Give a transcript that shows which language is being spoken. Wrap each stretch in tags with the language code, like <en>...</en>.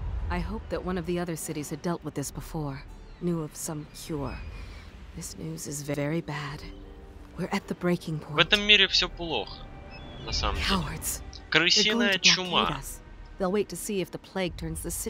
<en>I hope that one of the other cities had dealt with this before, knew of some cure. This news is very bad. We're at the breaking point.</en> <ru>В этом мире все плохо, на самом деле.</ru> <en>Cowards.</en> <ru>Крысиная чума.</ru> <en>They'll wait to see if the plague turns the city</en>